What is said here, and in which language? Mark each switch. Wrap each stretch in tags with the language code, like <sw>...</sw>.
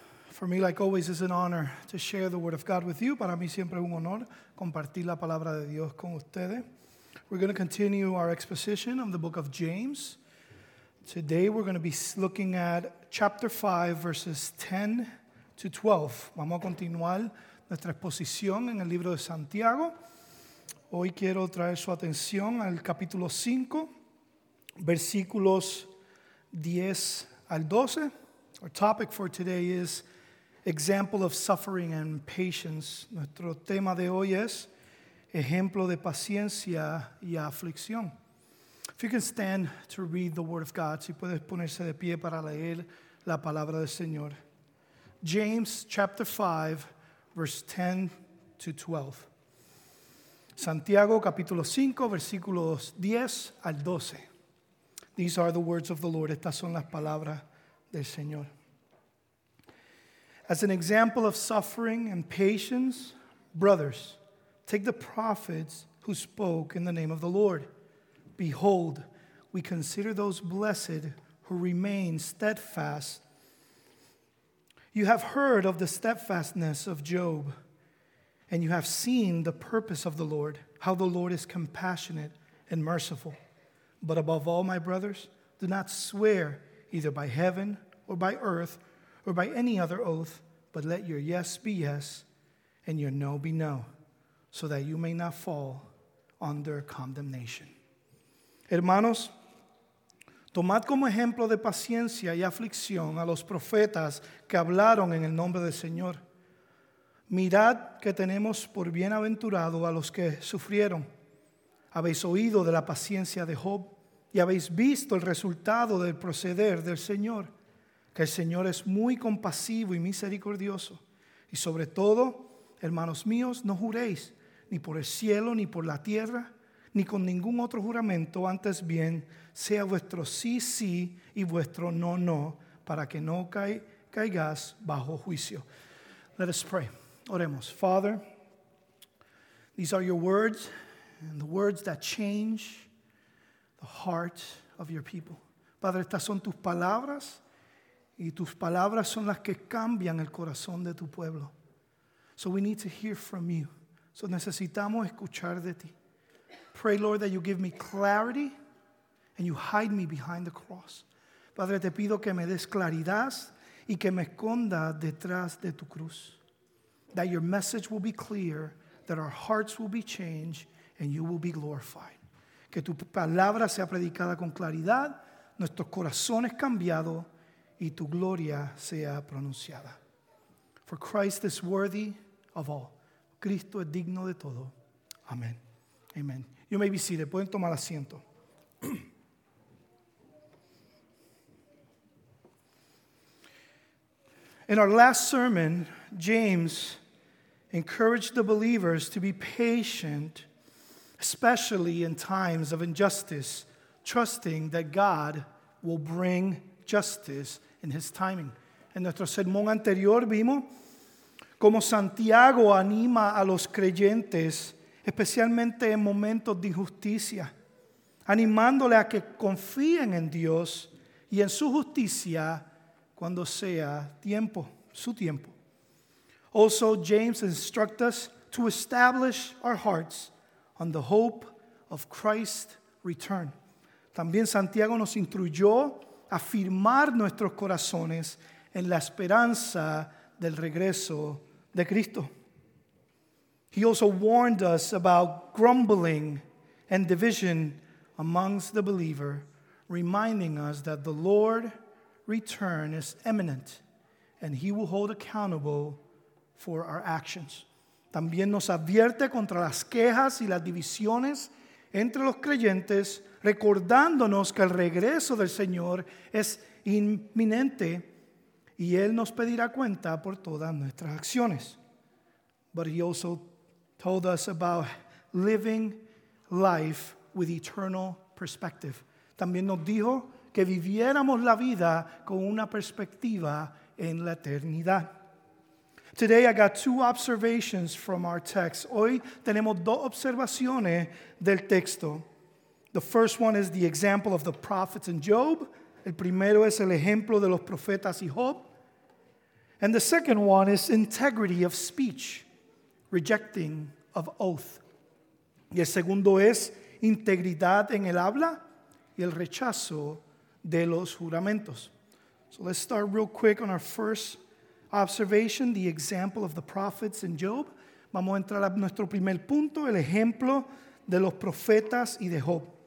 <en>For me, like always, it's an honor to share the word of God with you.</en> <es>Para mí siempre es un honor compartir la palabra de Dios con ustedes.</es> <en>We're going to continue our exposition of the book of James. Today, we're going to be looking at chapter 5, verses 10 to 12.</en> <es>Vamos a continuar nuestra exposición en el libro de Santiago. Hoy quiero traer su atención al capítulo 5, versículos 10 al 12.</es> <en>Our topic for today is example of suffering and patience.</en> <es>Nuestro tema de hoy es ejemplo de paciencia y aflicción.</es> <en>If you can stand to read the word of God,</en> <es>si puedes ponerse de pie para leer la palabra del Señor.</es> <en>James chapter 5, verse 10 to 12.</en> <es>Santiago capítulo 5, versículos 10 al 12.</es> <en>These are the words of the Lord.</en> <es>Estas son las palabras del Señor.</es> <en>As an example of suffering and patience, brothers, take the prophets who spoke in the name of the Lord. Behold, we consider those blessed who remain steadfast. You have heard of the steadfastness of Job, and you have seen the purpose of the Lord, how the Lord is compassionate and merciful. But above all, my brothers, do not swear either by heaven or by earth or by any other oath, but let your yes be yes and your no be no, so that you may not fall under condemnation.</en> <es>Hermanos, tomad como ejemplo de paciencia y aflicción a los profetas que hablaron en el nombre del Señor. Mirad que tenemos por bienaventurado a los que sufrieron. Habéis oído de la paciencia de Job y habéis visto el resultado del proceder del Señor, que el Señor es muy compasivo y misericordioso. Y sobre todo, hermanos míos, no juréis ni por el cielo ni por la tierra ni con ningún otro juramento, antes bien sea vuestro sí, sí y vuestro no, no, para que no caigas bajo juicio.</es> <en>Let us pray.</en> <es>Oremos.</es> <en>Father, these are your words, and the words that change the heart of your people.</en> <es>Padre, estas son tus palabras, y tus palabras son las que cambian el corazón de tu pueblo.</es> <en>So we need to hear from you.</en> <es>So necesitamos escuchar de ti.</es> <en>Pray, Lord, that you give me clarity and you hide me behind the cross.</en> <es>Padre, te pido que me des claridad y que me esconda detrás de tu cruz.</es> <en>That your message will be clear, that our hearts will be changed, and you will be glorified.</en> <es>Que tu palabra sea predicada con claridad, nuestros corazones cambiados, y tu gloria sea pronunciada.</es> <en>For Christ is worthy of all.</en> <es>Cristo es digno de todo. Amen. Amen.</es> <en>You may be seated.</en> <es>Pueden tomar asiento.</es> <en>In our last sermon, James encouraged the believers to be patient, especially in times of injustice, trusting that God will bring justice in his timing.</en> <es>En nuestro sermón anterior vimos cómo Santiago anima a los creyentes, especialmente en momentos de injusticia, animándole a que confíen en Dios y en su justicia cuando sea tiempo, su tiempo.</es> <en>Also, James instructs us to establish our hearts on the hope of Christ's return.</en> <es>También Santiago nos instruyó a firmar nuestros corazones en la esperanza del regreso de Cristo.</es> <en>He also warned us about grumbling and division amongst the believer, reminding us that the Lord's return is imminent and he will hold accountable for our actions.</en> <es>También nos advierte contra las quejas y las divisiones entre los creyentes, recordándonos que el regreso del Señor es inminente y Él nos pedirá cuenta por todas nuestras acciones.</es> <en>But he also told us about living life with eternal perspective.</en> <es>También nos dijo que viviéramos la vida con una perspectiva en la eternidad.</es> <en>Today I got two observations from our text.</en> <es>Hoy tenemos dos observaciones del texto.</es> <en>The first one is the example of the prophets in Job.</en> <es>El primero es el ejemplo de los profetas y Job.</es> <en>And the second one is integrity of speech, rejecting of oath.</en> <es>Y el segundo es integridad en el habla y el rechazo de los juramentos.</es> <en>So let's start real quick on our first observation, the example of the prophets in Job.</en> <es>Vamos a entrar a nuestro primer punto, el ejemplo de los profetas y de Job.</es>